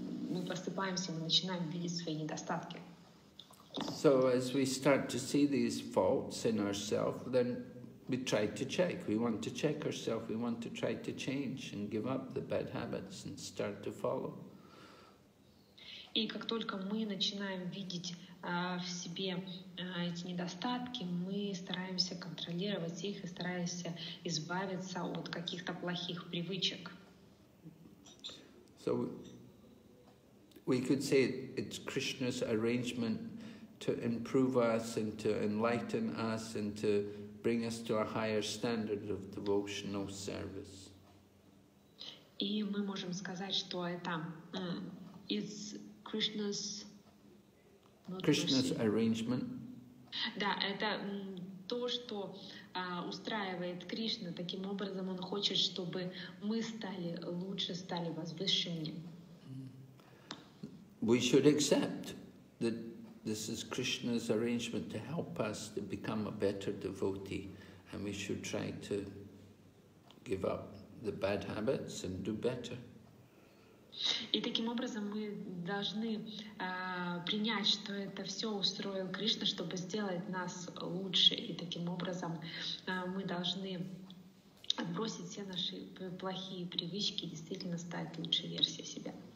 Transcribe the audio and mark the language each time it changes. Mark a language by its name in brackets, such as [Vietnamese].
[Russian] Мы просыпаемся, мы начинаем видеть свои недостатки. [English] So as we start to see these faults in ourselves, then we try to check. We want to check ourselves. We want to try to change and give up the bad habits and start to follow. [Russian] И как только мы начинаем видеть в себе эти недостатки, мы стараемся контролировать их и стараемся избавиться от каких-то плохих привычек. [English] So we could say it's Krishna's arrangement to improve us and to enlighten us and to bring us to a higher standard of devotional service. [Russian] И мы можем сказать, что это [English] is Krishna's arrangement. [Russian] Да, это то, что устраивает Кришна. Таким образом, он хочет, чтобы мы стали лучше, стали возвышеннее. [English] We should accept that this is Krishna's arrangement to help us to become a better devotee, and we should try to give up the bad habits and do better. [Russian] И таким образом мы должны принять, что это все устроил Кришна, чтобы сделать нас лучше, и таким образом мы должны отбросить все наши плохие привычки и действительно стать лучшей версией себя.